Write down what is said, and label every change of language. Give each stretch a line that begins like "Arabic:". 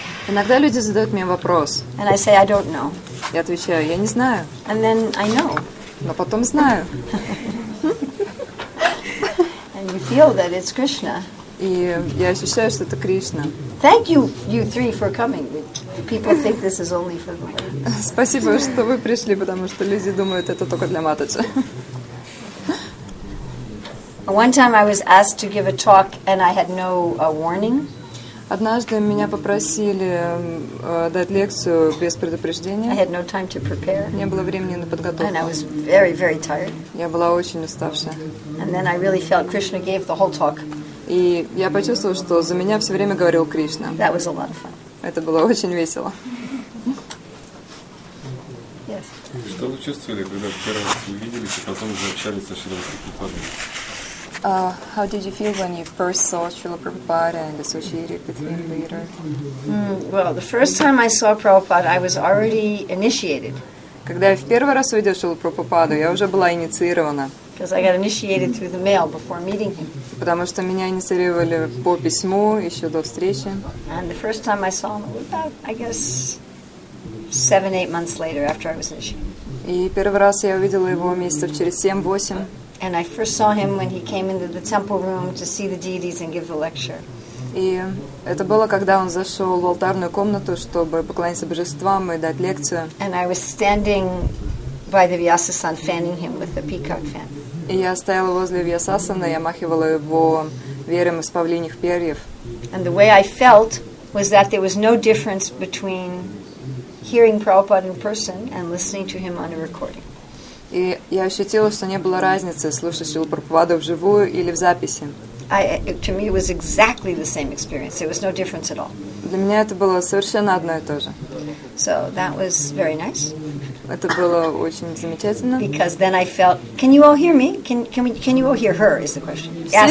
Russian: Иногда люди задают мне вопрос.
English: And I say, I don't know.
Russian: Я отвечаю, я не знаю.
English: And then I know.
Russian: Но потом знаю.
English: And you feel that it's Krishna.
Russian: И я ощущаю, что это Кришна.
English: Thank you, you three, for coming. People think this is only for the ladies.
Russian: Спасибо, что вы пришли, потому что люди думают, это только для Матаджи.
English: One time I was asked to give a talk, and I had no warning.
Russian: Однажды меня попросили дать лекцию без предупреждения.
English: I had no time to prepare.
Russian: Не было времени на подготовку.
English: And I was very, very tired.
Russian: Я была очень уставшая.
English: And then I really felt Krishna gave the whole talk.
Russian: И я почувствовала, что за меня все время говорил Кришна.
English: That was a lot of fun.
Russian: Это было очень весело.
English: Yes.
Russian: Что вы чувствовали, когда первый раз увиделись, а потом уже общались со Шрила Прабхупадой?
English: How did you feel when you first saw Srila Prabhupada and associated with him later? Well, the first time I saw Prabhupada, I was already initiated.
Russian: Когда я в первый раз увидел Шрилу Прабхупаду, я уже была инициирована.
English: Because I got initiated through the mail before meeting him.
Russian: Потому что меня инициировали по письму еще до встречи.
English: And the first time I saw him, about, I guess, 7-8 months later, after I was initiated.
Russian: И первый раз я увидела его месяцев через 7-8.
English: And I first saw him when he came into the temple room to see the deities and give the lecture.
Russian: И это было, когда он зашел в алтарную комнату, чтобы поклониться божествам и дать лекцию.
English: And I was standing by the Vyasasana, fanning him with a peacock fan.
Russian: И я стояла возле Вьясасаны, я махивала его веером из павлиньих перьев.
English: And the way I felt was that there was no difference between hearing Prabhupada in person and listening to him on a recording.
Russian: И я ощутила, что не было разницы, слушать Шрилу Прабхупаду вживую или в записи.
English: To me it was exactly the same experience. There was no difference at all.
Russian: Для меня это было совершенно одно и то же.
English: So that was very nice.
Russian: Это было очень замечательно.
English: Because then I felt, can you all hear me? Can you all hear her is the question.